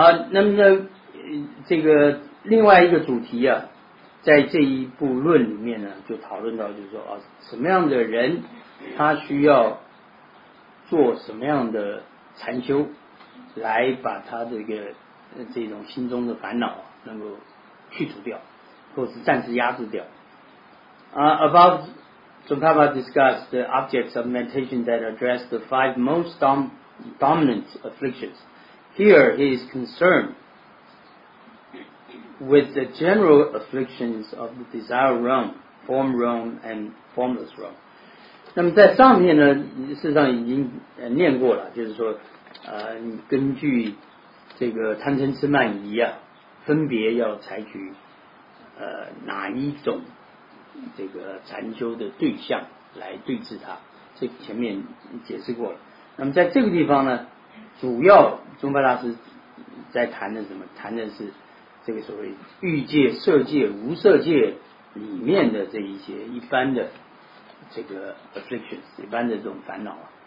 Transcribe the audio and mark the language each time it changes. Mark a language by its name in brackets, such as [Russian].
[Chinese] 那么呢，这个另外一个主题啊，在这一部论里面呢，就讨论到就是说啊，什么样的人他需要做什么样的禅修，来把他这个这种心中的烦恼能够去除掉。或是暂时压制掉。 [English] Above, Tsongkhapa discussed the objects of meditation that address the five most dominant afflictions. Here, he is concerned with the general afflictions of the desire realm, form realm, and formless realm. [Chinese] 那么在上面呢，事实上已经念过了，就是说，根据这个贪嗔痴慢疑啊，分别要采取。哪一种这个禅修的对象来对治它，这前面解释过了。那么在这个地方呢，主要宗派大师在谈的什么，谈的是这个所谓欲界、色界、无色界里面的这一些一般的这个 afflictions， 一般的这种烦恼啊。